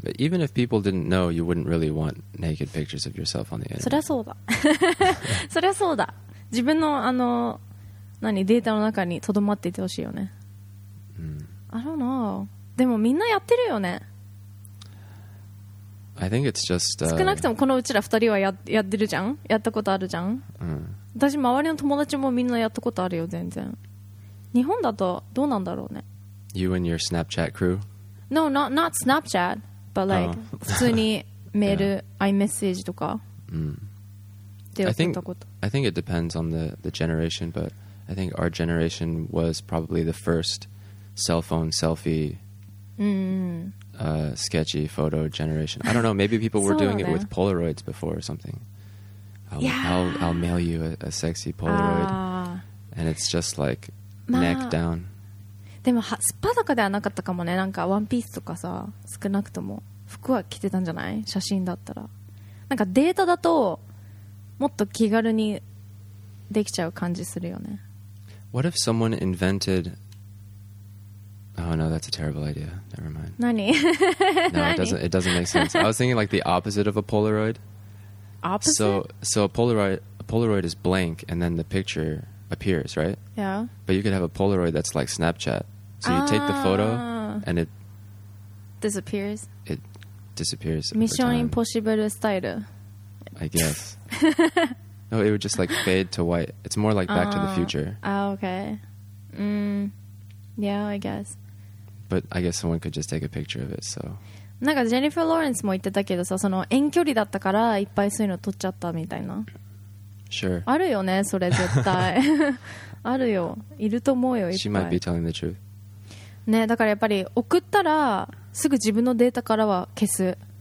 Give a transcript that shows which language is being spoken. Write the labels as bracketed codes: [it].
[en] But even if people didn't know, you wouldn't really want naked pictures of yourself on the internet. [ja] それはそうだ。それはそうだ。自分のあの何データの中にとどまっていてほしいよね。 Mm. [en] I don't know. [ja] でもみんなやってるよね。 [en] I think it's just, [ja] 少なくともこのうちら二人は やってるじゃん、やったことあるじゃん、うん、私周りの友達もみんなやったことあるよ。全然日本だとどうなんだろうね。 [en] You and your Snapchat crew? No, not Snapchat but like、oh. [ja] 普通にメール、 [en] yeah. iMessage とか、うん、I think it depends on the generation, but I think our generation was probably the first cell phone selfie、sketchy photo generation. I don't know, maybe people were doing it with Polaroids before or something. I'll mail you a sexy Polaroid and it's just like neck down. [ja] でもすっぱだかではなかったかもね。なんかワンピースとかさ、少なくとも服は着てたんじゃない？写真だったら。なんかデータだともっと気軽にできちゃう感じするよね。 [en] What if someone invented... Oh no, that's a terrible idea. Never mind. [ja] 何? [en] No, it doesn't make sense. I was thinking like the opposite of a Polaroid. Opposite? So a Polaroid is blank and then the picture appears, right? Yeah. But you could have a Polaroid that's like Snapchat. So you take the photo and it... Disappears? It disappears. Mission Impossible style. I guess. No, it would just like fade to white. It's more like Back to the Future. Oh, okay. Yeah, I guess. But I guess someone could just take a picture of it, so. [ja] なんかジェニファー・ローレンスも言ってたけどさ、その遠距離だったからいっぱいそういうの撮っちゃったみたいな。 [en] Sure. [ja] あるよね、それ絶対。あるよ。いると思うよ、いっぱい。 [en] She might be telling the truth. [ja] ね、だからやっぱり送ったらすぐ自分のデータからは消す。